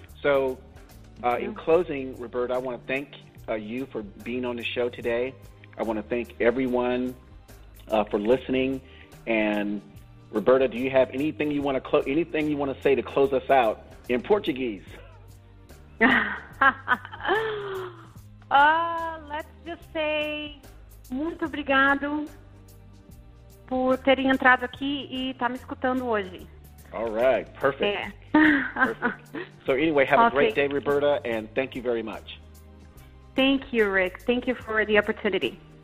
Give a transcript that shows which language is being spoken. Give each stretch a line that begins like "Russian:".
English: So in closing, Roberta, I want to thank you for being on the show today. I want to thank everyone for listening. And Roberta, do you have anything you want to say to close us out in Portuguese? Let's just say
Portuguese: muito obrigado por terem entrado aqui e tá me escutando hoje.
English: All right, perfect. Yeah. Perfect. So anyway, have a great day, Roberta, and thank you very much. Thank you, Rick. Thank you for the opportunity.